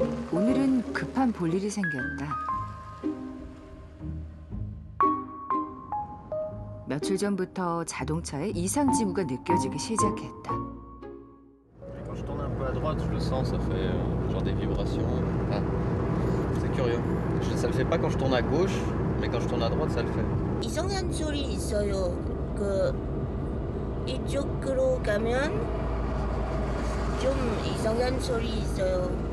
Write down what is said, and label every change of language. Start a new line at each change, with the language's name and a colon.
Korean: 오늘은 급한 볼일이 생겼다. 며칠 전부터 자동차에 이상 징후가 느껴지기 시작했다.
French: Quand je tourne un peu à droite, je le sens, ça fait genre des vibrations. C'est curieux. Ça le fait pas quand je tourne à gauche, mais quand je tourne à droite, ça le fait.
Korean: 이상한 소리 있어요. 그 이쪽으로 가면 좀 이상한 소리 있어요.